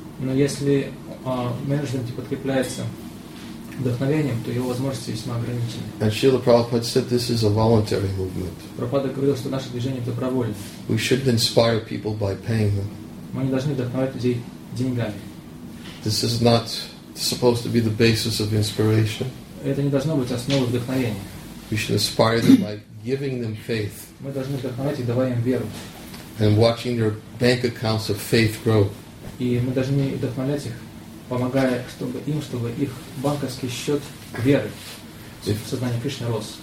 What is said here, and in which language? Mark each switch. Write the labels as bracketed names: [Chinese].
[Russian] Но если менеджмент не подкрепляется вдохновением, то его возможности весьма ограничены. [English] And Srila Prabhupada said this is a voluntary movement. [Russian] Прабхупада говорил, что наше движение добровольное. [English] We shouldn't inspire people by paying them. [Russian] Мы не должны вдохновлять людей деньгами. [English] This is not supposed to be the basis of inspiration. [Russian] Это не должно быть основой вдохновения. [English] We should inspire them by giving them faith. [Russian] Мы должны вдохновлять и давать им веру. [English] And watching their bank accounts of faith grow. [Russian] И мы должны вдохновлять их, помогая чтобы им, чтобы их банковский счет веры в сознание Кришны рос.